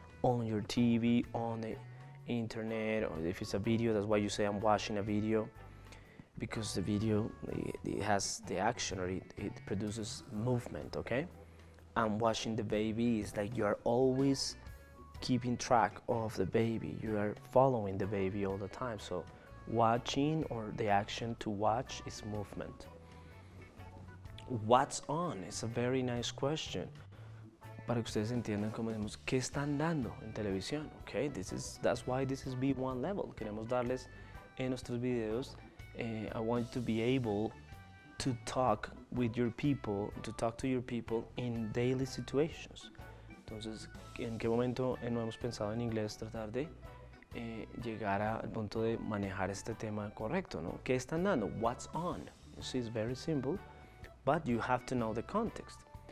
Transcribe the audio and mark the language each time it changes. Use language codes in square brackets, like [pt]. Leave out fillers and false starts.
[en] On your TV, on the internet, or if it's a video, that's why you say I'm watching a video, because the video, it has the action, or it produces movement, okay? I'm watching the baby, it's like you are always keeping track of the baby, you are following the baby all the time. So watching, or the action to watch, is movement. What's on? It's a very nice question. [es] Para que ustedes entiendan cómo decimos, ¿qué están dando en televisión? [en] Okay, this is, that's why this is B1 level. [es] Queremos darles en nuestros videos, [en] I want you to be able to talk with your people, to talk to your people in daily situations. [es] Entonces, ¿en qué momento no hemos pensado en inglés tratar de llegar al punto de manejar este tema correcto, ¿no? ¿Qué están dando? [en] What's on? You see, it's very simple, but you have to know the context.